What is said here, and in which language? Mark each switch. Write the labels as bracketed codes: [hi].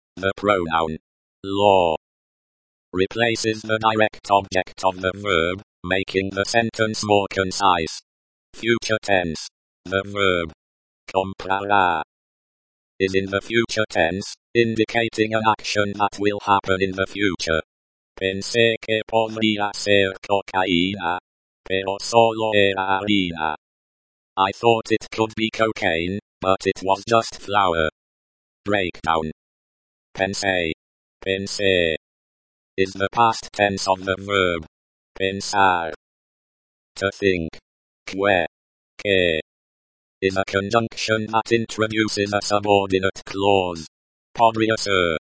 [en] The pronoun lo replaces the direct object of the verb, making the sentence more concise. Future tense. The verb comprará is in the future tense, indicating an action that will happen in the future. [es] Pensé que podría ser cocaína, pero solo era harina. [en] I thought it could be cocaine, but it was just flour. Breakdown. Pensé. Pensé is the past tense of the verb pensar. To think. Que. Que is a conjunction that introduces a subordinate clause. Podría ser.